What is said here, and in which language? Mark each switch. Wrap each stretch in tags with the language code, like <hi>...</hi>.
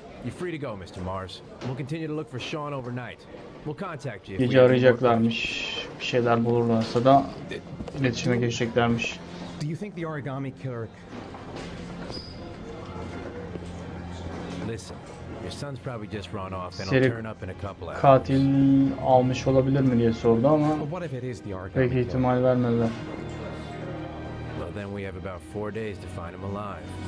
<en>You're free to go, Mr. Mars. We'll continue to look for Sean overnight. We'll contact you.</en> <tr>Gece arayacaklarmış. Bir şeyler bulurlarsa da iletişime geçeceklermiş.</tr> <en>Do you think the origami killer? Listen. Your son's probably just run off and he'll turn up in a couple hours.</en> <tr>Katil almış olabilir mi diye sordu ama pek ihtimal vermedi.</tr> <en>Then we have about 4 days to find him alive.</en>